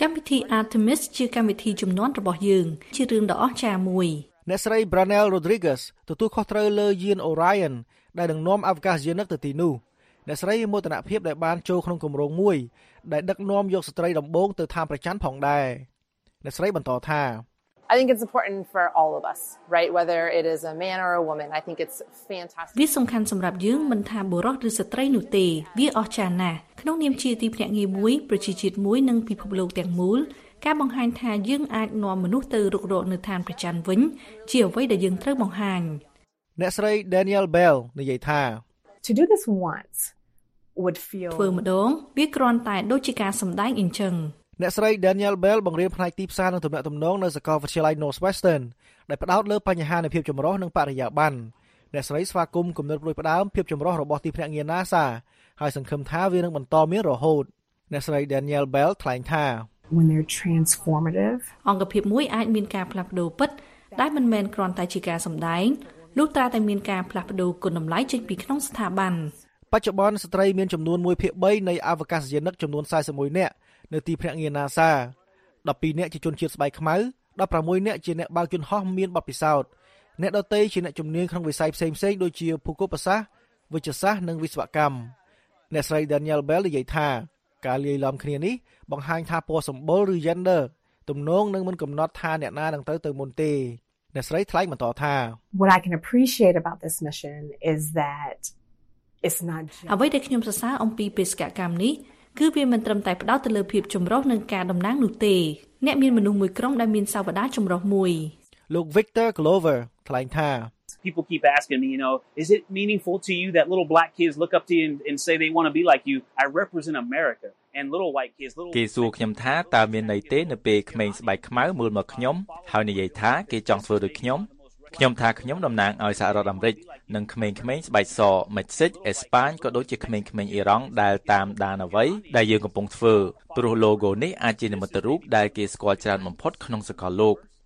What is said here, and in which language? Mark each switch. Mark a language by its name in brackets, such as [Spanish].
[Khmer] កម្មវិធី Artemis ជាកម្មវិធីជំនាន់របស់យើងជារឿងដ៏អស្ចារ្យមួយ អ្នកស្រី Branel Rodriguez ទទួលខុសត្រូវលើយាន Orion ដែលនឹងនាំអវកាសយានិកទៅទីនោះអ្នកស្រីមោទនភាពដែលបានចូលក្នុងគម្រោងមួយដែលដឹកនាំយកស្ត្រីដំបូងទៅតាមប្រចាំផងដែរអ្នកស្រីបន្តថា [English] I think it's important for all of us right whether it is a man or a woman I think it's fantastic [Khmer] វាសំខាន់សម្រាប់យើងមិនថាបុរសឬស្ត្រីនោះទេវាអស្ចារ្យណាស់ក្នុងនាមជាទីភ្នាក់ងារមួយប្រជាជាតិមួយនិងពិភពលោកទាំងមូលការបង្ហាញថាយើងអាចនាំមនុស្សទៅរុករកនៅឋានប្រចាំវិញជាអ្វីដែលយើងត្រូវបង្ហាញ អ្នកស្រី Daniel Bell និយាយថា [English] To do this once would feel [Khmer] ធ្វើម្ដងវាគ្រាន់តែដូចជាការសម្ដែងអញ្ចឹង អ្នកស្រី Daniel Bell បង្រៀនផ្នែកទីផ្សារនៅទំនាក់ទំនងនៅសាកលវិទ្យាល័យ Northwestern ដែលផ្ដោតលើបញ្ហានៃភាពចម្រុះនិងបរិយាបន្នអ្នកស្រីស្វាគមន៍គំនិតផ្ដួចផ្ដើមភាពចម្រុះរបស់ទីភ្នាក់ងារ NASA ហើយសង្ឃឹមថាវានឹងបន្តមានរហូតអ្នកស្រី Daniel Bell ថ្លែងថា [English] When they're transformative [Khmer] អង្គភាពមួយអាចមានការផ្លាស់ប្ដូរពិតដែលមិនមែនគ្រាន់តែជាការសម្ដែងនោះត្រូវតែមានការផ្លាស់ប្ដូរគុណតម្លៃចេញពីក្នុងស្ថាប័ន បច្ចុប្បន្នស្ត្រីមានចំនួន 1/3 នៃអវកាសយានិកចំនួន41នាក់នៅទីភ្នាក់ងារ NASA 12នាក់ជាជនជាតិស្បែកខ្មៅ16នាក់ជាអ្នកបើកយន្តហោះមានបទពិសោធន៍អ្នកដទៃជាអ្នកជំនាញក្នុងវិស័យផ្សេងៗដូចជាភូកបសាសវិទ្យាសាស្ត្រនិងវិស្វកម្មអ្នកស្រី Daniel Bell និយាយថាការលាយឡំគ្នានេះបង្ហាញថាពណ៌សម្បុរឬ gender ទំនងនឹងមិនកំណត់ថាអ្នកណានឹងត្រូវទៅមុនទេអ្នកស្រីថ្លែងបន្តថា [English] What I can appreciate about this mission is that it's not just [Khmer] អ្វីដែលខ្ញុំសរសើរអំពីបេសកកម្មនេះគឺវាមិនត្រឹមតែផ្ដោតទៅលើភាពចម្រុះនឹងការតំណាងនោះទេអ្នកមានមនុស្សមួយក្រុមដែលមានសាវតាចម្រុះមួយ លោក Victor Glover ថ្លែងថា [English] People keep asking me you know is it meaningful to you that little black kids look up to you and say they want to be like you I represent America and little white kids little [Khmer] គេសួរខ្ញុំថាតើមានន័យទេនៅពេលក្មេងស្បែកខ្មៅមើលមកខ្ញុំហើយនិយាយថាគេចង់ធ្វើដូចខ្ញុំខ្ញុំថាខ្ញុំតំណាងឲ្យសហរដ្ឋអាមេរិកនិងក្មេងៗស្បែកសមិចស៊ិចអេស្ប៉ាញក៏ដូចជាក្មេងៗអ៊ីរ៉ង់ដែលតាមដានអ្វីដែលយើងកំពុងធ្វើព្រោះ logo នេះអាចជានិមិត្តរូបដែលគេស្គាល់ច្រើនបំផុតក្នុងសកលលោក